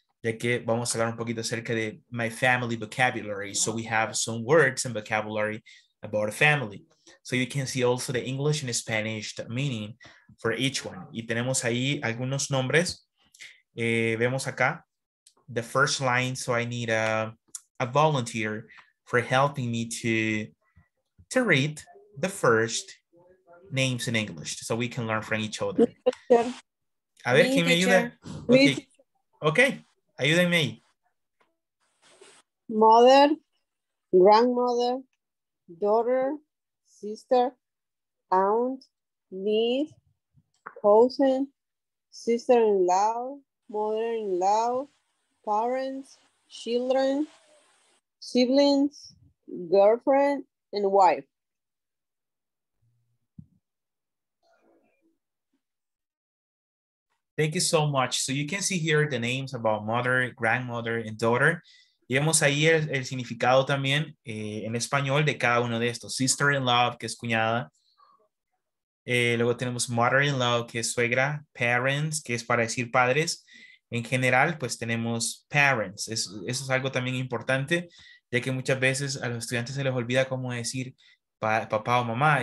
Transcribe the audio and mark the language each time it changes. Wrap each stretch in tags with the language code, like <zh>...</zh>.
<es>ya que vamos a hablar un poquito acerca de</es> <en>my family vocabulary. So we have some words and vocabulary about a family. So you can see also the English and Spanish meaning for each one.</en> <es>Y tenemos ahí algunos nombres. Vemos acá</es> <en>the first line. So I need a volunteer for helping me to read the first names in English so we can learn from each other.</en> <es>A ver, ¿quién me ayuda? Okay. Ayúdenme ahí.</es> <en>Mother, grandmother, daughter, sister, aunt, niece, cousin, sister-in-law, mother-in-law, parents, children, siblings, girlfriend, and wife. Thank you so much. So you can see here the names about mother, grandmother, and daughter.</en> <es>Y vemos ahí el significado también en español de cada uno de estos. Sister-in-law, que es cuñada. Luego tenemos mother-in-law, que es suegra. Parents, que es para decir padres. En general, pues tenemos parents. Eso es algo también importante, ya que muchas veces a los estudiantes se les olvida cómo decir papá o mamá.</es>